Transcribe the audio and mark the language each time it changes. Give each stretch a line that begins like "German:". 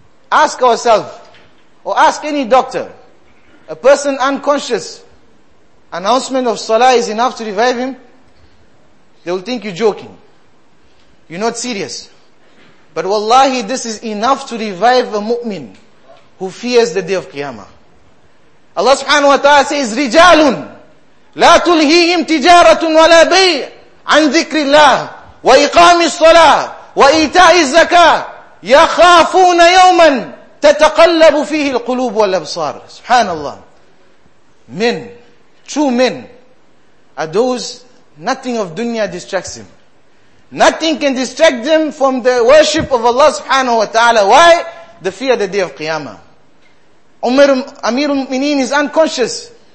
English: Ask ourselves, or ask any doctor, a person unconscious, announcement of salah is enough to revive him? They will think you're joking. You're not serious. But wallahi, this is enough to revive a mu'min who fears the day of Qiyamah.
Arabic: Allah subhanahu wa ta'ala says, رِجَالٌ لَا تُلْهِيهِمْ تِجَارَةٌ وَلَا بَيْءٌ عَنْ ذِكْرِ اللَّهِ وَإِقَامِ الصَّلَاةِ وَإِيتَاءِ الزَّكَاةِ يَخَافُونَ يَوْمًا تَتَقَلَّبُ فِيهِ الْقُلُوبُ وَالْأَبْصَارِ. Subhanallah.
English: Men, true men, are those nothing of dunya distracts them. Nothing can distract them from the worship of Allah subhanahu wa ta'ala. Why? The fear of the day of Qiyamah. Amir al-Mu'mineen is unconscious.